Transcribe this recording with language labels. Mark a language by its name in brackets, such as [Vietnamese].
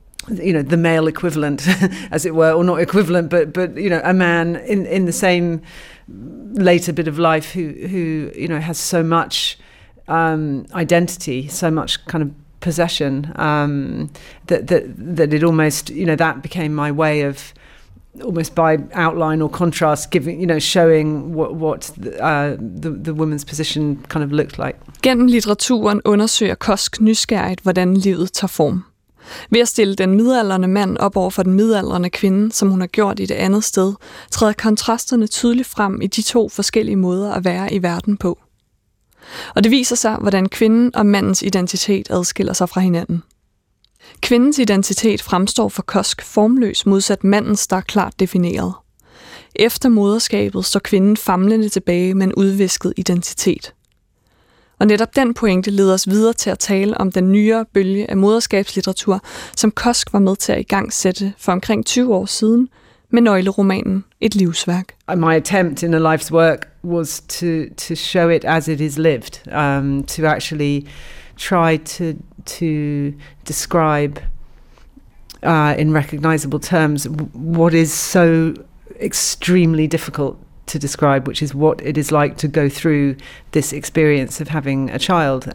[English] you know, the male equivalent, as it were, or not equivalent, but you know, a man in the same later bit of life who you know has so much identity, so much kind of possession, that it almost, you know, that became my way of almost by outline or contrast giving, you know, showing what the woman's position kind of looked like. [Danish] Gennem litteraturen undersøger Kosk nysgerrigt, hvordan livet tager form. Ved at stille den midaldrende mand op over for den midaldrende kvinde, som hun har gjort i det andet sted, træder kontrasterne tydeligt frem i de to forskellige måder at være i verden på. Og det viser sig, hvordan kvinden og mandens identitet adskiller sig fra hinanden. Kvindens identitet fremstår for Kosk formløs modsat mandens, der er klart defineret. Efter moderskabet står kvinden famlende tilbage med en udvisket identitet. Og netop den pointe leder os videre til at tale om den nyere bølge af moderskabslitteratur, som Kosk var med til at igangsætte for omkring 20 år siden med nøgleromanen Et livsværk. [English] My attempt in a life's work was to show it as it is lived, to actually try to describe in recognizable terms what is so extremely difficult to describe, which is what it is like to go through this experience of having a child.